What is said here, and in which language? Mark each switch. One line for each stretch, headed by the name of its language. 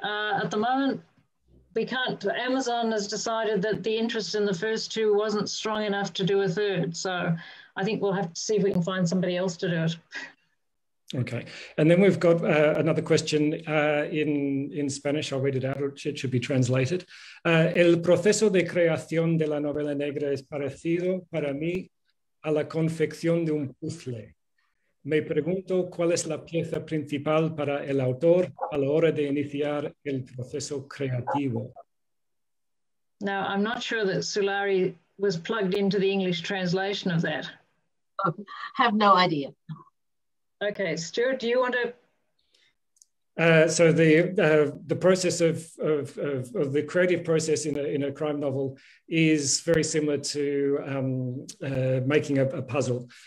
English: At the moment, Amazon has decided that the interest in the first two wasn't strong enough to do a third. So I think we'll have to see if we can find somebody else to do it. Okay. And then we've got another question in Spanish. I'll read it out. It should be translated.
Spanish: El proceso de creación de la novela negra es parecido para mí a la confección de un puzzle. Me pregunto cuál es la pieza principal para el autor a la hora de iniciar el proceso creativo.
English: Now, I'm not sure that Sulari was plugged into the English translation of that. I have no idea. Okay, Stuart, do you want to... So the process of the creative process in a crime novel is very similar to making a puzzle.